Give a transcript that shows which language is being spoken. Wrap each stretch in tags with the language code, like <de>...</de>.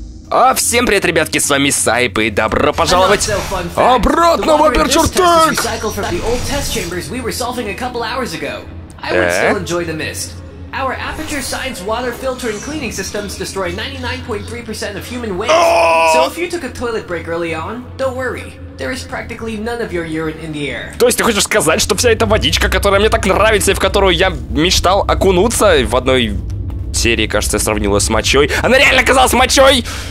<ru>А всем привет, ребятки, с вами Сайп, и добро пожаловать обратно в Aperture Tech!</ru> <en>Our Aperture Science water filtering cleaning systems destroy 99.3% of human waste. So if you took a toilet break early on, don't worry. There is practically none of your urine in the air.</en> <ru>То есть ты хочешь сказать, что вся эта водичка, которая мне так нравится и в которую я мечтал окунуться в одной серии, кажется, я сравнил ее с мочой. Она реально казалась мочой!</ru>